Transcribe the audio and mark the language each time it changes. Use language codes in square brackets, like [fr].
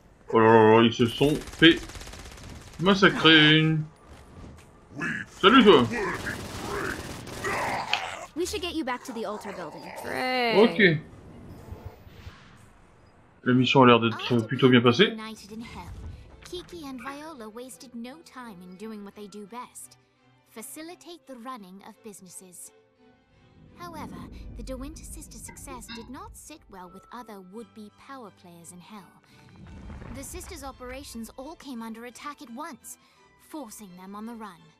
[fr] Oh là là là, ils se sont fait massacrer! Salut toi! [en] We should get you back to the altar building. Ok! [fr] La mission a l'air d'être plutôt bien passée. [en] Kiki and Viola wasted no time in doing what they do best. Facilitate the running of businesses. However, the De Winter sisters' success did not sit well with other would-be power players in Hell. The sisters' operations all came under attack at once, forcing them on the run.